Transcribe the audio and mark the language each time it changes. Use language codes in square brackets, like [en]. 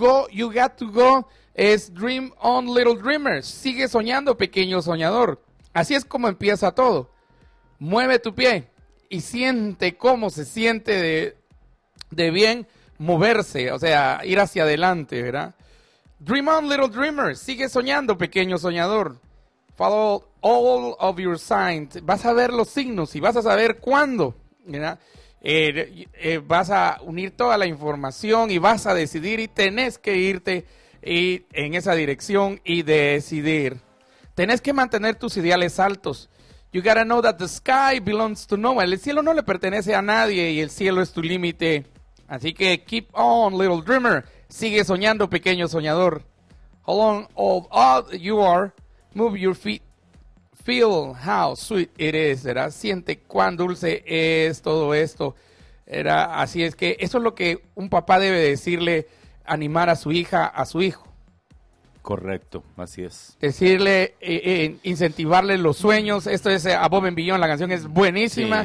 [en] You got to go. Es Dream On Little Dreamer. [es] Sigue soñando, pequeño soñador. Así es como empieza todo. Mueve tu pie y siente cómo se siente de bien moverse, o sea, ir hacia adelante, ¿verdad? [en] Dream on, little dreamer. [es] Sigue soñando, pequeño soñador. [en] Follow all of your signs. [es] Vas a ver los signos y vas a saber cuándo, ¿verdad? Vas a unir toda la información y vas a decidir y tenés que irte y en esa dirección y decidir. Tenés que mantener tus ideales altos. [en] You gotta know that the sky belongs to no one. [es] El cielo no le pertenece a nadie y el cielo es tu límite. Así que [en] keep on, little dreamer. [es] Sigue soñando, pequeño soñador. [en] How long old odd you are, move your feet. Feel how sweet it is, [es] ¿verdad? Siente cuán dulce es todo esto. Era, así es que eso es lo que un papá debe decirle, animar a su hija, a su hijo. Correcto, así es. Decirle, incentivarle los sueños. Esto es Above and Beyond, la canción es buenísima.